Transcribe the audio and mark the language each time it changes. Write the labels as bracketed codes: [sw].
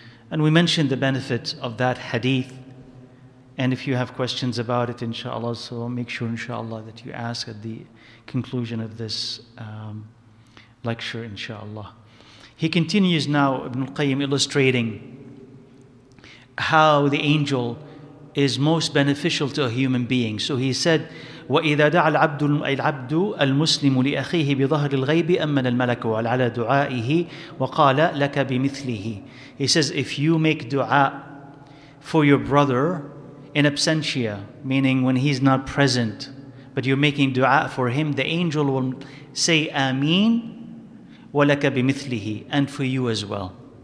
[en] And we mentioned the benefit of that hadith. And if you have questions about it, inshallah, so make sure, inshallah, that you ask at the conclusion of this lecture, inshallah. He continues now, Ibn Qayyim, illustrating how the angel is most beneficial to a human being. [ar] So he said, وَإِذَا دَعَ الْعَبْدُ الْمُسْلِمُ لِأَخِيهِ بِظَهْرِ الْغَيْبِ أَمَّنَ الْمَلَكُ عَلَى دُعَائِهِ وَقَالَ لَكَ بِمِثْلِهِ. [en] He says, if you make dua for your brother in absentia, meaning when he's not present, but you're making dua for him, the angel will say Ameen, [ar] walaka bimithlihi, [en] and for you as well.